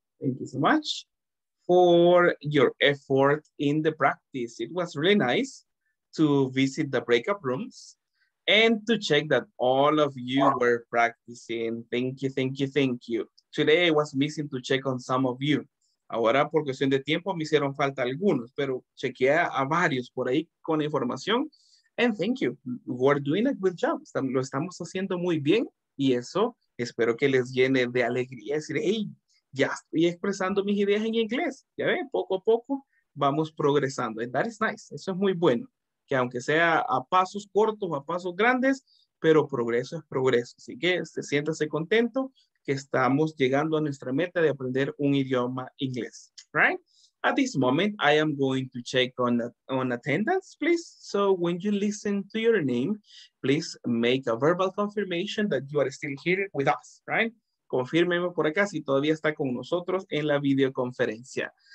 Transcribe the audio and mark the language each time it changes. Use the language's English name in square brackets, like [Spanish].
[English] Thank you so much for your effort in the practice. It was really nice to visit the breakout rooms and to check that all of you were practicing. Thank you, thank you, thank you. Today I was missing to check on some of you. [Spanish] Ahora, por cuestión de tiempo, me hicieron falta algunos, pero chequeé a varios por ahí con información. And thank you. We're doing a good job. Lo estamos haciendo muy bien. Y eso espero que les llene de alegría. Es decir, hey, ya estoy expresando mis ideas en inglés. Ya ven, poco a poco vamos progresando. And that is nice. Eso es muy bueno. Que aunque sea a pasos cortos o a pasos grandes, pero progreso es progreso. Así que siéntase contento que estamos llegando a nuestra meta de aprender un idioma inglés. [English] Right? At this moment, I am going to check on attendance, please. So when you listen to your name, please make a verbal confirmation that you are still here with us, right? [Spanish] Confírmeme por acá si todavía está con nosotros en la videoconferencia.